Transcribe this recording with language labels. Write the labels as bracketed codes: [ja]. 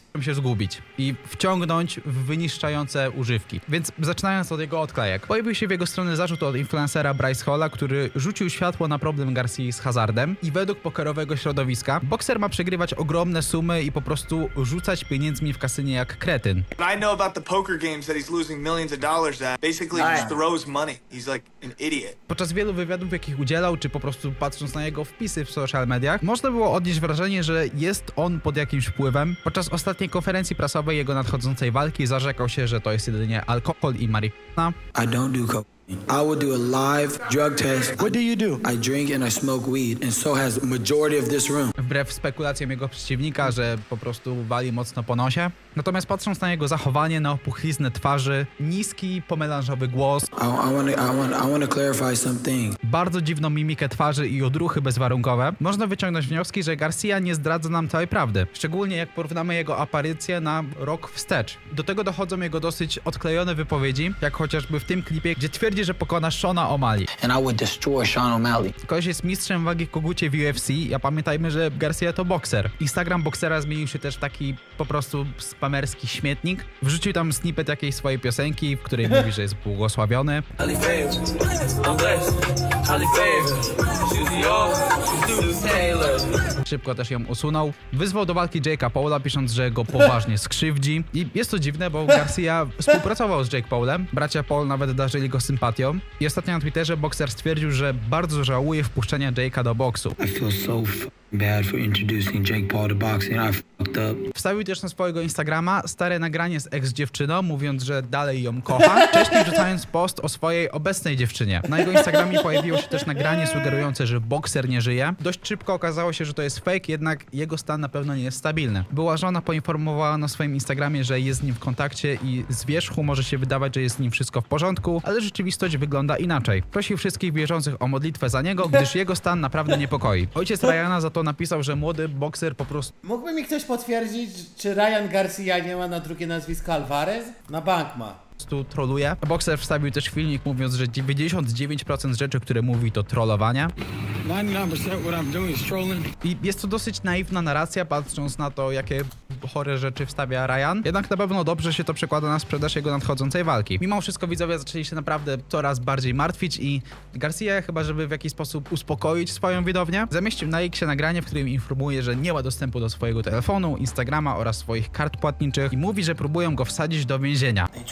[pl] Chciałbym się zgubić i wciągnąć w wyniszczające używki. Więc zaczynając od jego odklejek. Pojawił się w jego stronie zarzut od influencera Bryce Halla, który rzucił światło na problem Garcia z hazardem. I według pokerowego środowiska, bokser ma przegrywać ogromne sumy i po prostu rzucać pieniędzmi w kasynie jak kretyn. [en] And I know about the poker games that he's losing millions of dollars at. Basically just throws money. He's like an idiot. [pl] Podczas wielu wywiadów, jakich udzielał, czy po prostu patrząc na jego wpisy w social mediach, można było odnieść wrażenie, że jest on pod jakimś wpływem. Podczas ostatniej konferencji prasowej jego nadchodzącej walki zarzekał się, że to jest jedynie alkohol i marihuana. [en] I don't do cocaine. I would do a live drug test. What do you do? I drink and I smoke weed and so has majority of this room. [pl] Wbrew spekulacjom jego przeciwnika, że po prostu wali mocno po nosie. Natomiast patrząc na jego zachowanie, na opuchliznę twarzy, niski, pomelanżowy głos, [en] I wanna clarify something. [pl] Bardzo dziwną mimikę twarzy i odruchy bezwarunkowe, można wyciągnąć wnioski, że Garcia nie zdradza nam całej prawdy. Szczególnie jak porównamy jego aparycję na rok wstecz. Do tego dochodzą jego dosyć odklejone wypowiedzi, jak chociażby w tym klipie, gdzie twierdzi, że pokona Shona O'Malley. [en] And I would destroy Sean O'Malley. [pl] Koleś jest mistrzem wagi kogucie w UFC, a pamiętajmy, że Garcia to bokser. Instagram boksera zmienił się też taki po prostu spamerski śmietnik. Wrzucił tam snippet jakiejś swojej piosenki, w której mówi, że jest błogosławiony. Szybko też ją usunął. Wyzwał do walki Jake'a Paula, pisząc, że go poważnie skrzywdzi. I jest to dziwne, bo Garcia współpracował z Jake Paulem. Bracia Paul nawet darzyli go sympatią. I ostatnio na Twitterze bokser stwierdził, że bardzo żałuje wpuszczenia Jake'a do boksu. [en] Bad for introducing Jake Paul to boxing. I fucked up. [pl] Wstawił też na swojego Instagrama stare nagranie z ex-dziewczyną, mówiąc, że dalej ją kocha, wcześniej rzucając post o swojej obecnej dziewczynie. Na jego Instagramie pojawiło się też nagranie sugerujące, że bokser nie żyje. Dość szybko okazało się, że to jest fake, jednak jego stan na pewno nie jest stabilny. Była żona poinformowała na swoim Instagramie, że jest z nim w kontakcie i z wierzchu może się wydawać, że jest z nim wszystko w porządku, ale rzeczywistość wygląda inaczej. Prosił wszystkich wierzących o modlitwę za niego, gdyż jego stan naprawdę niepokoi. Ojciec Ryana za to napisał, że młody bokser po prostu... Mógłby mi ktoś potwierdzić, czy Ryan Garcia nie ma na drugie nazwisko Alvarez? Na bank ma. Tu troluje. Bokser wstawił też filmik, mówiąc, że 99% rzeczy, które mówi, to trollowanie. [en] 99% what I'm doing is trolling. [pl] I jest to dosyć naiwna narracja, patrząc na to, jakie chore rzeczy wstawia Ryan. Jednak na pewno dobrze się to przekłada na sprzedaż jego nadchodzącej walki. Mimo wszystko widzowie zaczęli się naprawdę coraz bardziej martwić i Garcia, chyba żeby w jakiś sposób uspokoić swoją widownię, zamieścił na X nagranie, w którym informuje, że nie ma dostępu do swojego telefonu, Instagrama oraz swoich kart płatniczych i mówi, że próbują go wsadzić do więzienia.